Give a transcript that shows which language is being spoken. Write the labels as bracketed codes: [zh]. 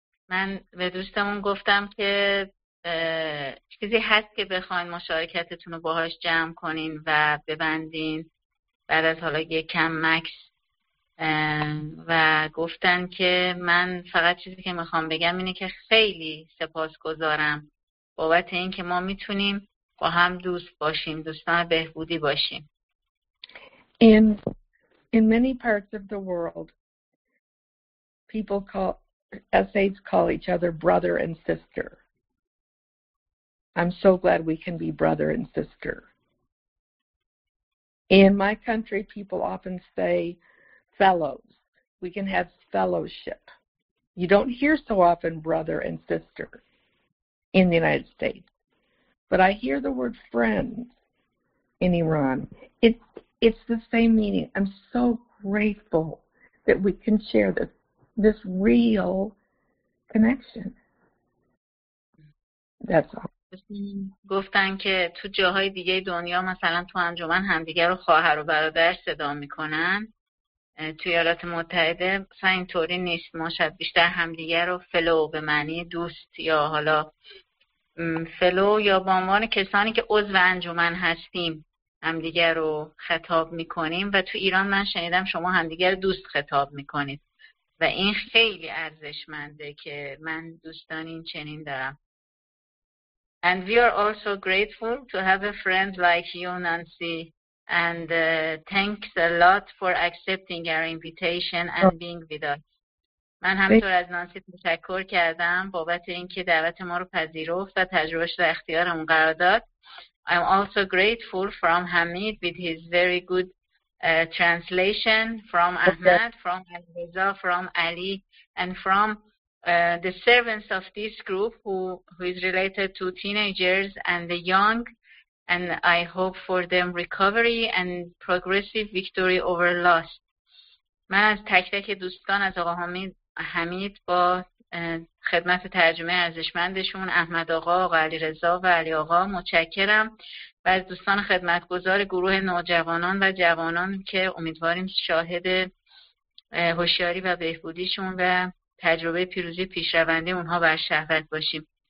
[fa] من به دوستمون گفتم که چیزی هست که بخواین مشارکتتون رو باهاش جمع کنین و ببندین بعد از حالا یک کم مکس، و گفتن که من فقط چیزی که میخوام بگم اینه که خیلی سپاسگزارم بابت این که ما میتونیم با هم دوست باشیم، دوستان بهبودی باشیم. [en] In many parts of the world people call essays call each other brother and sister. I'm so glad we can be brother and sister. In my country people often say fellows. We can have fellowship. You don't hear so often brother and sister in the United States. But I hear the word friends in Iran. It's the same meaning. I'm so grateful that we can share this real connection. That's all. [fa] گفتن که تو جاهای دیگه دنیا مثلا تو انجمن همدیگه رو خواهر و برادر صدا میکنن، توی ایالات متحده مثلا اینطوری نیست. ما شاید بیشتر همدیگه رو فلو به معنی دوست یا حالا فلو یا به عنوان کسانی که عضو انجمن هستیم همدیگه رو خطاب میکنیم، و تو ایران من شنیدم شما همدیگه رو دوست خطاب میکنید و این خیلی ارزشمنده که من دوستان این چنین دارم. [en] And we are also grateful to have a friend like you, Nancy. And thanks a lot for accepting our invitation and being with us. [fa] من همطور از نانسی تشکر کردم بابت اینکه دعوت ما رو پذیرفت و تجربهش رو اختیارمون قرار داد. [en] I'm also grateful from Hamid with his very good translation, from Ahmed, from Reza, from Ali, and from the servants of this group who is related to teenagers and the young, and I hope for them recovery and progressive victory over loss. [fa] من از تک تک دوستان از آقا حمید با خدمت ترجمه ارزشمندشون احمد آقا، آقا علی رضا و علی آقا متشکرم، و از دوستان خدمتگزار گروه نوجوانان و جوانان که امیدواریم شاهد هوشیاری و بهبودیشون و تجربه پیروزی پیشرونده اونها بر شهوت باشیم.